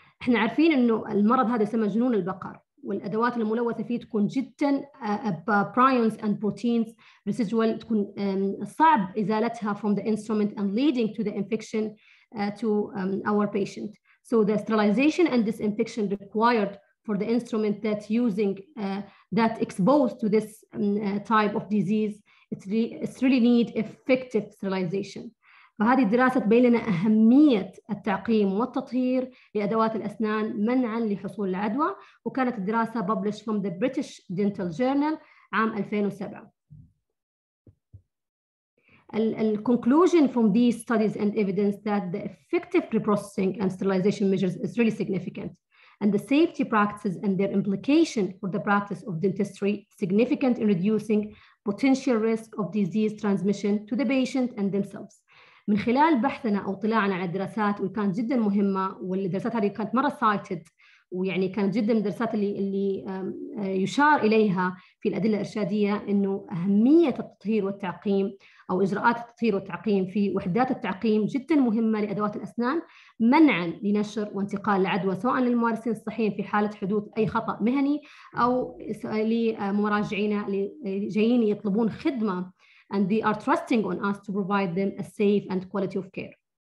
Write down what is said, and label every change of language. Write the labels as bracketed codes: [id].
[ar] احنا عارفين انه المرض هذا يسمى جنون البقر، والادوات الملوثه فيه تكون جدا [en] prions and proteins residual [ar] تكون صعب ازالتها [en] from the instrument and leading to the infection to our patient. So the sterilization and disinfection required for the instrument that using that exposed to this type of disease, it's really need effective sterilization. [ar] فهذه الدراسة تبين لنا أهمية التعقيم والتطهير لأدوات الأسنان منعاً لحصول العدوى، وكانت الدراسة [en] published from the British Dental Journal [ar] عام 2007. [en] The conclusion from these studies and evidence that the effective reprocessing and sterilization measures is really significant. And the safety practices and their implication for the practice of dentistry significant in reducing potential risk of disease transmission to the patient and themselves. [ar] من خلال بحثنا أو اطلاعنا على الدراسات، وكانت جدا مهمة، والدراسات هذه كانت مرة cited، ويعني كانت جدا من الدراسات اللي يشار إليها في الأدلة الإرشادية، إنه أهمية التطهير والتعقيم أو إجراءات التطهير والتعقيم في وحدات التعقيم جدا مهمة لأدوات الأسنان منعا لنشر وانتقال العدوى سواء للممارسين الصحيين في حالة حدوث أي خطأ مهني أو لمراجعينا اللي جايين يطلبون خدمة [en] and they are trusting on us to provide them a safe and quality of care.